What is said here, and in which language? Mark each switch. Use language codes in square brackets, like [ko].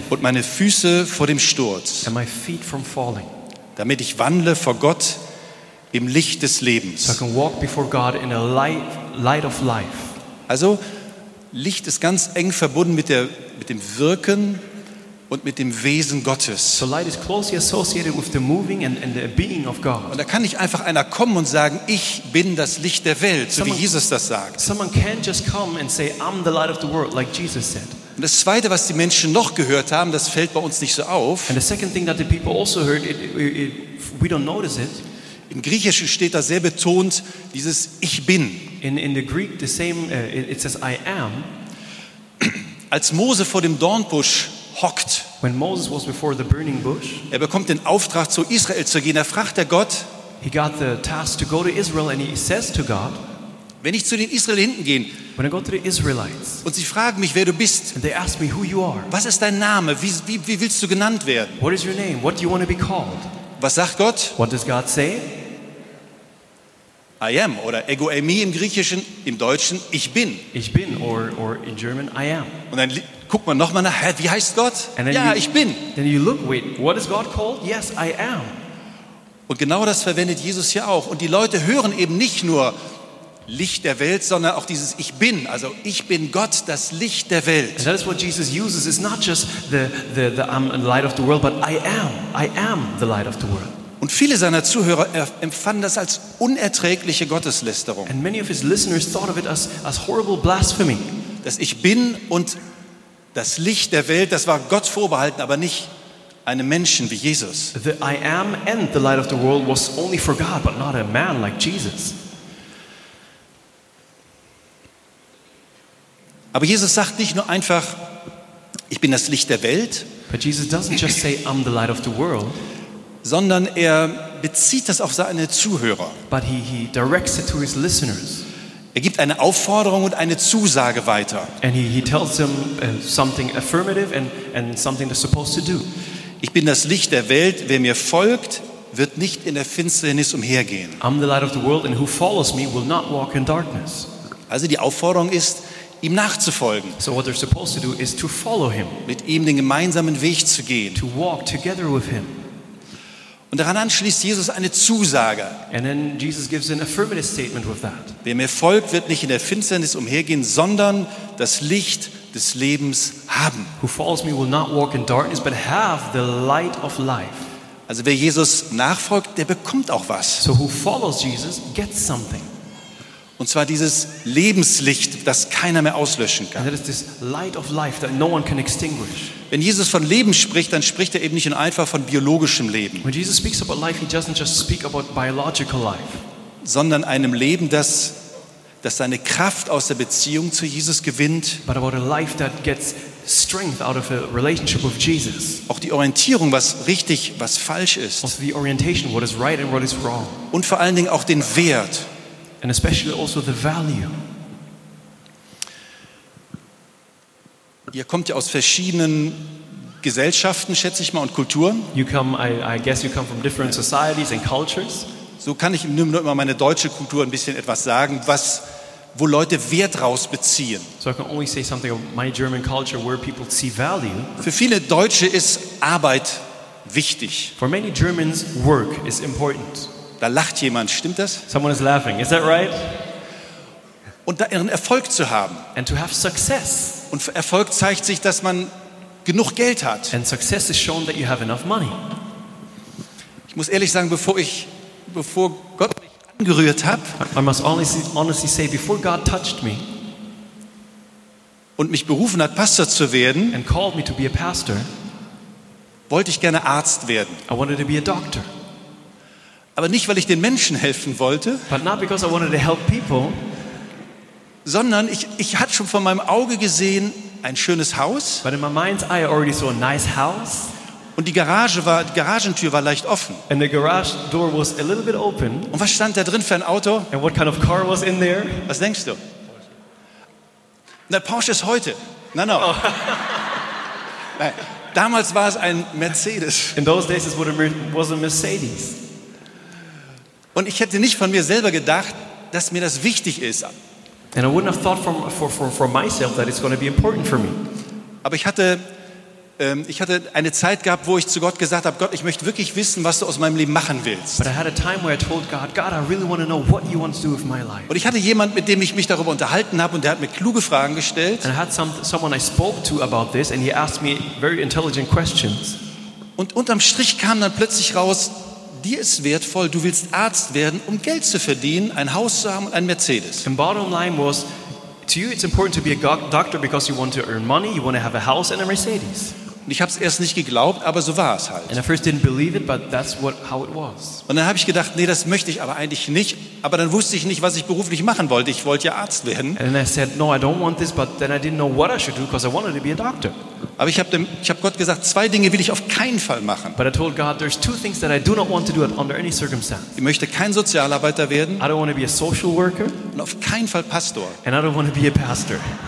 [de] Und meine Füße vor dem Sturz. [en] And my feet from falling. [de] Damit ich wandle vor Gott im Licht des Lebens. [en] So I can walk before God in the light of life. [de] Also, Licht ist ganz eng verbunden mit dem Wirken und mit dem Wesen Gottes. [en] So light is closely associated with the moving and the being of God. [de] Und da kann nicht einfach einer kommen und sagen, ich bin das Licht der Welt, so wie Jesus das sagt. [en] Someone can't just come and say, I'm the light of the world, like Jesus said. [de] Und das Zweite, was die Menschen noch gehört haben, das fällt bei uns nicht so auf. [en] And the second thing that the people also heard, we don't notice it. [de] Im Griechischen steht da sehr betont dieses Ich bin. [en] In the Greek, the same, it says I am. [de] Als Mose vor dem Dornbusch hockt, [en] when Moses was before the burning bush, [de] er bekommt den Auftrag, zu Israel zu gehen. Er fragt der Gott, [en] he got the task to go to Israel and he says to God, [de] wenn ich zu den Israeliten gehe, [en] when I go to the Israelites, [de] und sie fragen mich, wer du bist, [en] and they ask me who you are, [de] was ist dein Name, wie willst du genannt werden? [en] What is your name? What do you want to be called? [de] Was sagt Gott? [en] What does God say? I am, [de] oder ego eimi im Griechischen, im Deutschen, ich bin. Ich bin, [en] or in German, I am. [de] Und dann guckt man nochmal nach, wie heißt Gott? Ja, ich bin. [en] Then you look, wait, what is God called? Yes, I am. [de] Und genau das verwendet Jesus hier auch. Und die Leute hören eben nicht nur Licht der Welt, sondern auch dieses Ich bin. Also ich bin Gott, das Licht der Welt. [en] And that is what Jesus uses. It's not just the I'm the light of the world, but I am. I am the light of the world. [de] Und viele seiner Zuhörer empfanden das als unerträgliche Gotteslästerung. [en] And many of his listeners thought of it as horrible blasphemy. [de] Dass ich bin und das Licht der Welt, das war Gott vorbehalten, aber nicht einem Menschen wie Jesus. [en] The I am and the light of the world was only for God, but not a man like Jesus. [de] Aber Jesus sagt nicht nur einfach, ich bin das Licht der Welt. [en] But Jesus doesn't just say, I'm the light of the world. [de] Sondern er bezieht das auf seine Zuhörer. [en] But he directs it to his listeners. [de] Er gibt eine Aufforderung und eine Zusage weiter. [en] And he tells them something affirmative and something they're supposed to do. [de] Ich bin das Licht der Welt. Wer mir folgt, wird nicht in der Finsternis umhergehen. [en] I'm the light of the world, and who follows me will not walk in darkness. [de] Also die Aufforderung ist, ihm nachzufolgen. [en] So what they're supposed to do is to follow him. [de] Mit ihm den gemeinsamen Weg zu gehen. [en] To walk together with him. [de] Und daran anschließt Jesus eine Zusage. [en] And then Jesus gives an affirmative statement with that. [de] Wer mir folgt, wird nicht in der Finsternis umhergehen, sondern das Licht des Lebens haben. [en] Who follows me will not walk in darkness, but have the light of life. [de] Also wer Jesus nachfolgt, der bekommt auch was. [en] So who follows Jesus gets something. [de] Und zwar dieses Lebenslicht, das keiner mehr auslöschen kann. [en] And that is this light of life that no one can extinguish. [de] Wenn Jesus von Leben spricht, dann spricht er eben nicht einfach von biologischem Leben. [en] When Jesus speaks about life, he doesn't just speak about biological life. [de] Sondern einem Leben, das seine Kraft aus der Beziehung zu Jesus gewinnt. [en] But about a life that gets strength out of a relationship with Jesus. [de] Auch die Orientierung, was richtig, was falsch ist. [en] Also the orientation, what is right and what is wrong. [de] Und vor allen Dingen auch den Wert. [en] And especially also the value. [de] Ihr kommt ja aus verschiedenen Gesellschaften, schätze ich mal, und Kulturen. [en] You come, I guess you come from different societies and cultures. [de] So kann ich nur immer meine deutsche Kultur ein bisschen etwas sagen, wo Leute Wert rausbeziehen. [en] So I can only say something of my German culture, where people see value. [de] Für viele Deutsche ist Arbeit wichtig. [en] For many Germans, work is important. [de] Da lacht jemand, stimmt das? [en] Someone is laughing, is that right? [de] Und da ihren Erfolg zu haben. [en] And to have success. [de] Und Erfolg zeigt sich, dass man genug Geld hat. [en] And success is shown that you have enough money. [de] Ich muss ehrlich sagen, bevor Gott mich angerührt hat, [en] I must honestly say, before God touched me [de] und mich berufen hat, Pastor zu werden, [en] and called me to be a pastor, [de] wollte ich gerne Arzt werden. [en] I wanted to be a doctor. [de] Aber nicht, weil ich den Menschen helfen wollte, [en] but not because I wanted to help people, [de] sondern ich hatte schon von meinem Auge gesehen ein schönes Haus. [en] But in my mind's eye, I already saw a nice house. [de] Und die Garagentür war leicht offen. [en] And the garage door was a little bit open. [de] Und was stand da drin für ein Auto? [en] And what kind of car was in there? [de] Was denkst du? Na, Porsche ist heute. Nein, nein. Nein, damals war es ein Mercedes. [en] In those days it was a Mercedes. [de] Und ich hätte nicht von mir selber gedacht, dass mir das wichtig ist. [en] And I wouldn't have thought for myself that it's going to be important for me. [de] Aber ich hatte eine Zeit gehabt, wo ich zu Gott gesagt habe, Gott, ich möchte wirklich wissen, was du aus meinem Leben machen willst. [en] But I had a time where I told God, God, I really want to know what you want to do with my life. [de] Und ich hatte jemand, mit dem ich mich darüber unterhalten habe, und der hat mir kluge Fragen gestellt. [en] And I had someone I spoke to about this, and he asked me very intelligent questions. [de] Und unterm Strich kam dann plötzlich raus, dir ist wertvoll, du willst Arzt werden, um Geld zu verdienen, ein Haus zu haben und ein Mercedes. [en] And bottom line was, to you it's important to be a doctor because you want to earn money, you want to have a house and a Mercedes. [de] Und ich habe es erst nicht geglaubt, aber so war es halt. [en] And I first didn't believe it, but that's how it was. [de] Und dann habe ich gedacht, nee, das möchte ich aber eigentlich nicht. Aber dann wusste ich nicht, was ich beruflich machen wollte. Ich wollte ja Arzt werden. [en] And then I said, no, I don't want this, but then I didn't know what I should do because I wanted to be a doctor. [de] Aber ich hab Gott gesagt, zwei Dinge will ich auf keinen Fall machen. [en] But I told God, there's two things that I do not want to do under any circumstance. [de] Ich möchte kein Sozialarbeiter werden. [en] I don't want to be a social worker. [de] Und auf keinen Fall Pastor. [en] And I don't want to be a pastor.